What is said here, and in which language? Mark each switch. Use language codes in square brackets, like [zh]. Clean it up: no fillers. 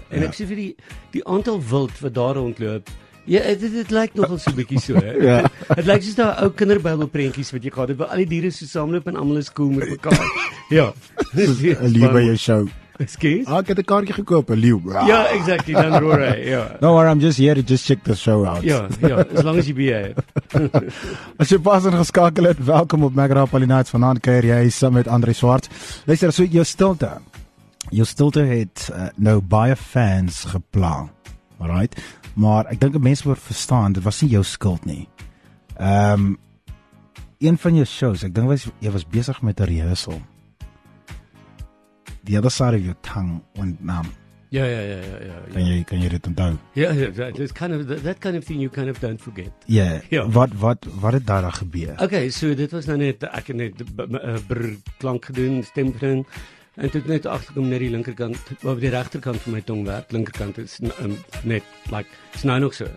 [af] En ja. Ek sê vir die aantal wild wat daar rondloop. Ja, dit lyk nogal so 'n bietjie so. Ja. Dit lyk soos daai ou kinderbybelprentjies wat jy gehad het waar al die diere so saamloop en almal is cool met mekaar. Ja. Liewe jou show. [en] Excuse? [af] Ah, ek het 'n kaartjie gekoop, 'n leeu. Ja, exactly, dan roer hy, ja. [en] No, I'm just here to just check the show out. Ja, ja, as long as you be here. [af] As jy pas ingeskakel het, welkom op Mac Rapali Nights, vanaand keer jy saam met André Swart. Luister, so jou stilte het nou baie fans gepla, right? Maar ek dink mense moet verstaan, dit was nie jou skuld nie. Een van jou shows, ek dink jy was besig met 'n rehearsal. [en] The other side of your tongue went numb. Yeah. Can you [af] dit onthou? [en] Yeah, it's kind of that kind of thing you kind of don't forget. [af] Yeah. What het daar gebeur? Okay, so dit was nou net ek het net klank gedoen, stem gedoen en toe net agterkom net die linkerkant of die regterkant van my tong werk, linkerkant is net [en] like it's [af] nou nog so.